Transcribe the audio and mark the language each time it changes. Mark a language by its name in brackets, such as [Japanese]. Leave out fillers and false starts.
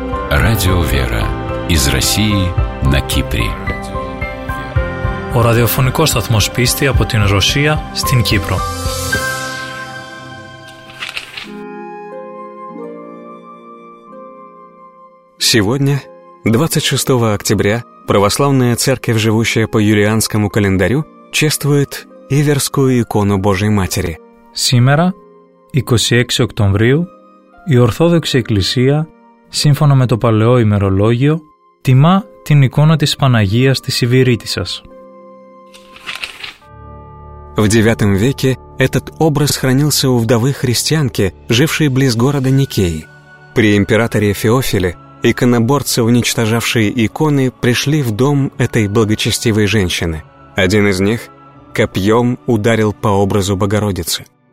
[Russian] Радио «Вера» из России на Кипре. [Greek] Ο ραδιοφωνικός σταθμός πίστη από την Ρωσία στην Κύπρο. [Russian] Сегодня, 26 октября, православная церковь, живущая по юлианскому календарю, чествует Иверскую икону Божьей Матери. Сегодня, 26 октября, [Greek] η Ορθόδοξη Εκκλησία, σύμφωνα με το παλαιό ημερολόγιο, τιμά την εικόνα της Παναγίας της Ιβυρίτισσας. [Russian] В IX веке этот образ хранился у вдовы христианки, жившей близ города Никеи. При императоре Феофиле иконоборцы, уничтожавшие иконы, пришли в дом этой благочестивой женщины. Один из них копьем ударил по образу Богородицы.